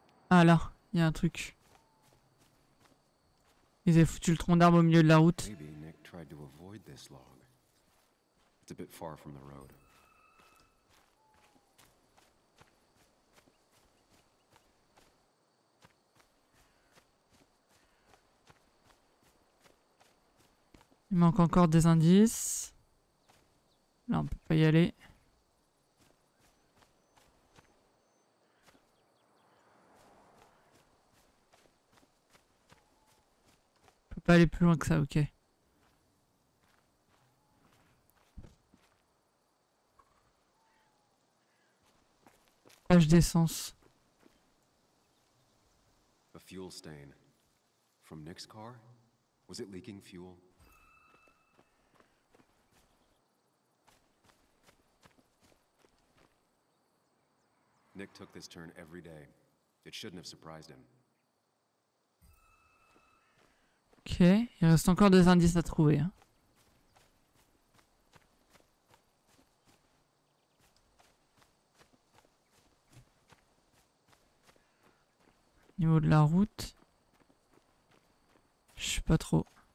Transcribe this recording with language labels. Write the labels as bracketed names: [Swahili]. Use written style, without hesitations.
[French] Ah là, il y a un truc. Ils avaient foutu le tronc d'arbre au milieu de la route. [English] Maybe Nick tried to avoid this log. It's a bit far from the road. [French] Il manque encore des indices. Là, on peut pas y aller. Pas aller plus loin que ça, ok. Page d'essence. [English] A fuel stain. From Nick's car? Was it leaking fuel? Nick took this turn every day. It shouldn't have surprised him. [French] Ok, il reste encore des indices à trouver. Niveau de la route, je sais pas trop.